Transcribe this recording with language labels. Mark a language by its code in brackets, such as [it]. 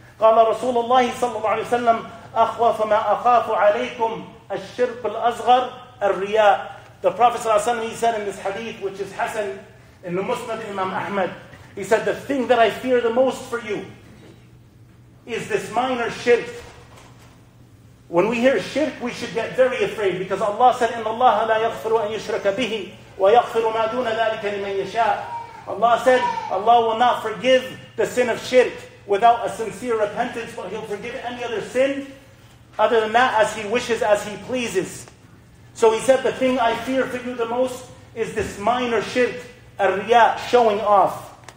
[ar] قَالَ رَسُولُ اللَّهِ صَلَّى اللَّهِ عَلَيْهِ وَسَلَّمَ أَخْوَفَ مَا أَخَافُ عَلَيْكُمْ الشِّرْكُ الْأَصْغَرُ الرِّيَاءُ. [en] The Prophet ﷺ, he said in this hadith, which is Hassan in the Musnad Imam Ahmad, he said, the thing that I fear the most for you is this minor shirk. When we hear shirk, we should get very afraid, because Allah said, [ar] إِنَّ اللَّهَ لَا يَغْفِرُ أَن يُشْرَكَ بِهِ وَيَغْفِرُ مَا دُونَ ذَلِكَ لِمَن يَشَاءُ. [en] Allah said, Allah will not forgive the sin of shirk without a sincere repentance, but He'll forgive any other sin other than that as He wishes, as He pleases. So He said, the thing I fear for you the most is this minor shirk, الرياء, showing off.